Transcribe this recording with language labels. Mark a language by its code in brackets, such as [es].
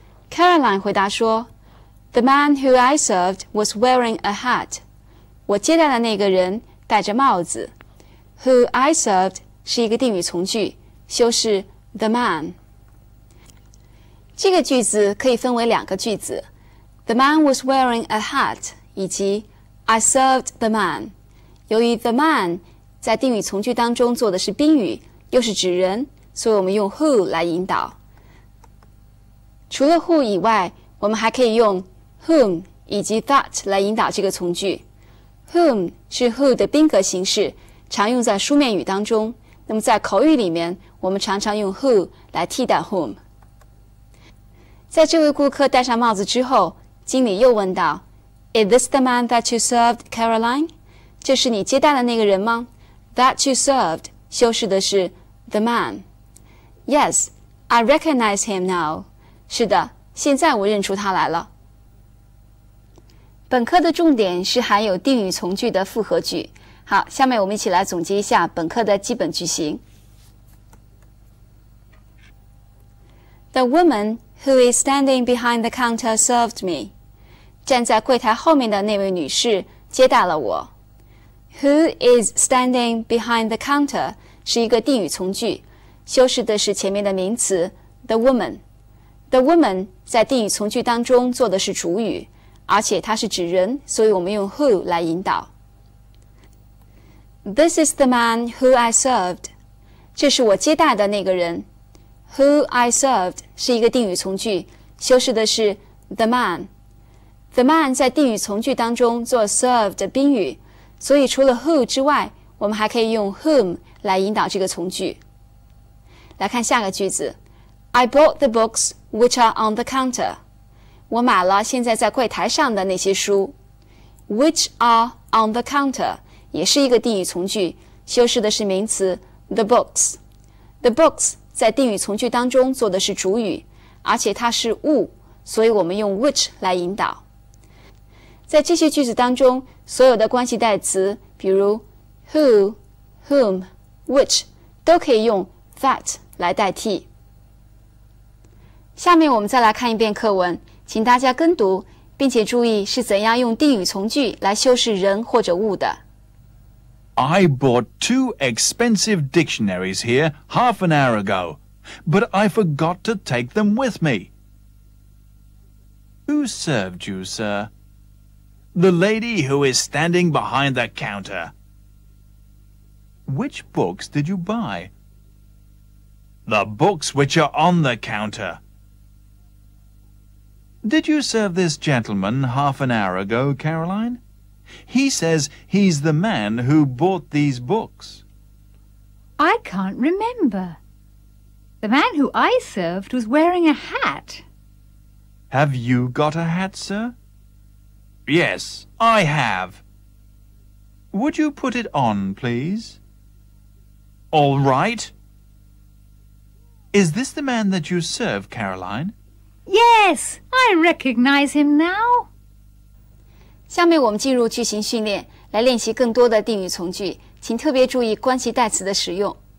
[en] Caroline [zh] 回答说 [en] ,The man who I served was wearing a hat. [zh] 我接待的那个人戴着帽子。 [en] Who I served [zh] 是一个定语从句，修饰 the man。这个句子可以分为两个句子。 [en] The man was wearing a hat, [zh] 以及 [en] I served the man。 [zh] 由于 the man 在定语从句当中做的是宾语，又是指人，所以我们用 who 来引导。除了 who 以外，我们还可以用 whom 以及 that 来引导这个从句。 whom 是 who 的宾格形式，常用在书面语当中。那么在口语里面，我们常常用 who 来替代 whom。在这位顾客戴上帽子之后，经理又问道 , [en] Is this the man that you served, [zh] Caroline? 这是你接待的那个人吗 ? [en] That you served, [zh] 修饰的是 the man。 [en] Yes, I recognize him now. [zh] 是的，现在我认出他来了。本课的重点是含有定语从句的复合句。好，下面我们一起来总结一下本课的基本句型。 [en] The woman who is standing behind the counter served me. [zh] 站在柜台后面的那位女士接待了我。 [en] Who is standing behind the counter [zh] 是一个定语从句，修饰的是前面的名词 the woman。 The woman 在定语从句当中做的是主语，而且它是指人，所以我们用 who 来引导。 [en] This is the man who I served. [zh] 这是我接待的那个人。 [en] Who I served [zh] 是一个定语从句，修饰的是 the man。 The man 在定语从句当中做 served 的宾语，所以除了 who 之外，我们还可以用 whom 来引导这个从句。来看下个句子。 [en] I bought the books which are on the counter. [zh] 我买了现在在柜台上的那些书。 [en] Which are on the counter [zh] 也是一个定语从句，修饰的是名词 the books. The books 在定语从句当中做的是主语，而且它是物，所以我们用 which 来引导。在这些句子当中，所有的关系代词，比如 who, whom, which, 都可以用 that 来代替。下面我们再来看一遍课文，请大家跟读，并且注意是怎样用定语从句来修饰人或者物的。 [en] I bought two expensive dictionaries here half an hour ago, but I forgot to take them with me. Who served you, sir? The lady who is standing behind the counter. Which books did you buy? The books which are on the counter. Did you serve this gentleman half an hour ago, Caroline? He says he's the man who bought these books. I can't remember. The man who I served was wearing a hat. Have you got a hat, sir? Yes, I have. Would you put it on, please? All right. Is this the man that you serve, Caroline? Yes, I recognize him now. [zh] 下面我们进入句型训练，来练习更多的定语从句，请特别注意关系代词的使用。